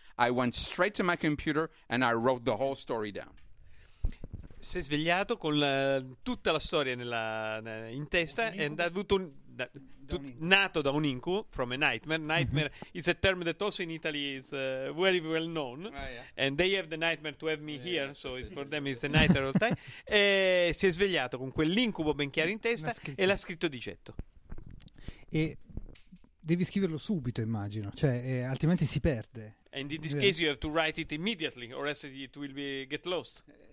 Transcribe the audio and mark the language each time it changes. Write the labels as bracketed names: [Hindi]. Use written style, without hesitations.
[English] I went straight to my computer and I wrote the whole story down. [Italian] Si è svegliato con tutta la storia in testa e ha avuto un nato da un incubo, [English] from a nightmare. Nightmare is a term that also in Italy is very well known. Ah, yeah. And they have the nightmare to have me here, so it's for them it's a nightmare all the time. [Italian] E si è svegliato con quell'incubo ben chiaro in testa e l'ha scritto di getto. E devi scriverlo subito, immagino, cioè altrimenti si perde. [English] And in this case you have to write it immediately or else it will be get lost.